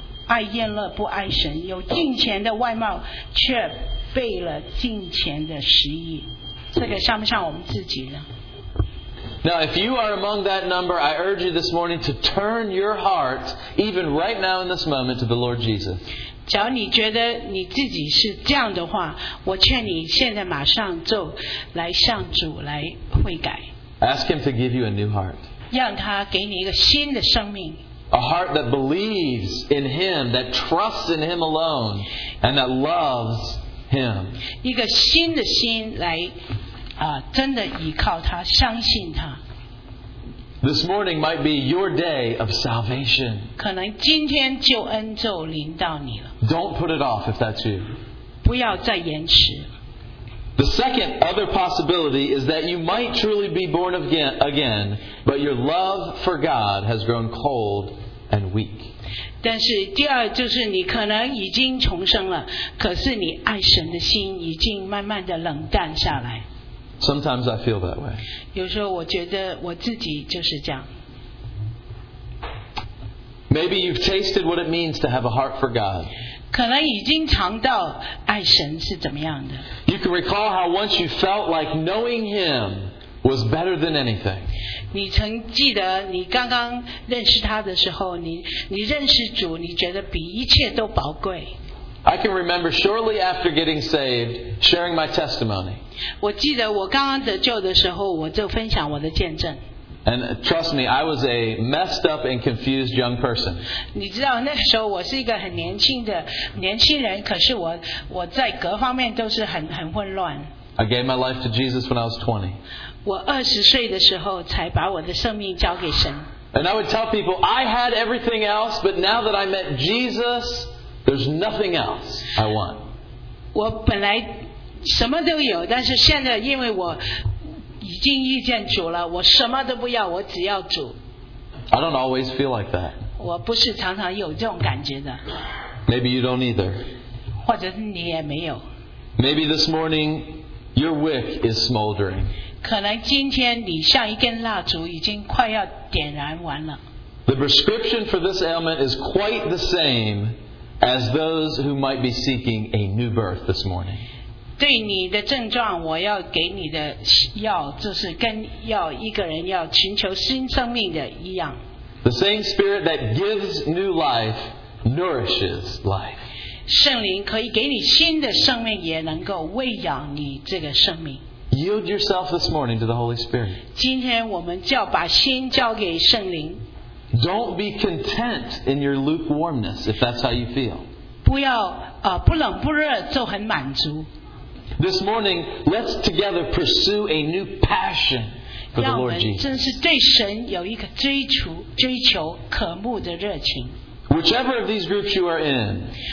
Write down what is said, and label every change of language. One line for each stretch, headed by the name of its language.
Chinese: 爱宴乐不爱神，有金钱的外貌却背了金钱的实意，这个像不像我们自己呢？
English: Now, if you are among that number, I urge you this morning to turn your heart, even right now in this moment, to the Lord Jesus.
Chinese: 假如你觉得你自己是这样的话，我劝你现在马上就来向主来悔改。
English: Ask Him to give you a new heart.
Chinese: 让他给你一个新的生命。
English: A heart that believes in Him, that trusts in Him alone, and that loves Him.
Chinese: 一个新的心来。真的依靠他，相信他。
English: This morning might be your day of salvation.
Chinese: 可能今天救恩就临到你了。
English: Don't put it off if that's you.
Chinese: 不要再延迟。
English: The second other possibility is that you might truly be born again, but your love for God has grown cold and weak.
Chinese: 但是第二就是你可能已经重生了，可是你爱神的心已经慢慢的冷淡下来。
English: Sometimes I feel that way.
Chinese: 有时候我觉得我自己就是这样。
English: Maybe you've tasted what it means to have a heart for God.
Chinese: 可能已经尝到爱神是怎么样的。
English: You can recall how once you felt like knowing Him was better than anything.
Chinese: 你曾记得你刚刚认识他的时候，你认识主，你觉得比一切都宝贵。
English: I can remember shortly after getting saved, sharing my testimony.
Chinese: 我记得我刚刚得救的时候，我就分享我的见证。
English: And trust me, I was a messed up and confused young person.
Chinese: 你知道那个时候我是一个很年轻的年轻人，可是我在各方面都是很混乱。
English: I gave my life to Jesus when I was 20.
Chinese: 我二十岁的时候才把我的生命交给神。
English: And I would tell people I had everything else, but now that I met Jesus. There's nothing else I want.
Chinese: 我本来什么都有，但是现在因为我已经遇见主了，我什么都不要，我只要主。
English: I don't always feel like that.
Chinese: 我不是常常有这种感觉的。
English: Maybe you don't either.
Chinese: 或者是你也没有。
English: Maybe this morning your wick is smoldering.
Chinese: 可能今天你像一根蜡烛，已经快要点燃完了。
English: The prescription for this ailment is quite the same. As those who might be seeking a new birth this morning.
Chinese: 对你的症状，我要给你的药，就是跟要一个人要寻求新生命的一样。
English: The same Spirit that gives new life nourishes life.
Chinese: 圣灵可以给你新的生命，也能够喂养你这个生命。
English: Yield yourself this morning to the Holy Spirit.
Chinese: 今天我们就要把心交给圣灵。
English: Don't be content in your lukewarmness if that's how you feel.
Chinese: 不要不冷不热就很满足。
English: This morning, let's together pursue a new passion for the Lord Jesus.
Chinese: 真是对神有一个追求渴慕的热情。
English: Whichever of these groups you are in,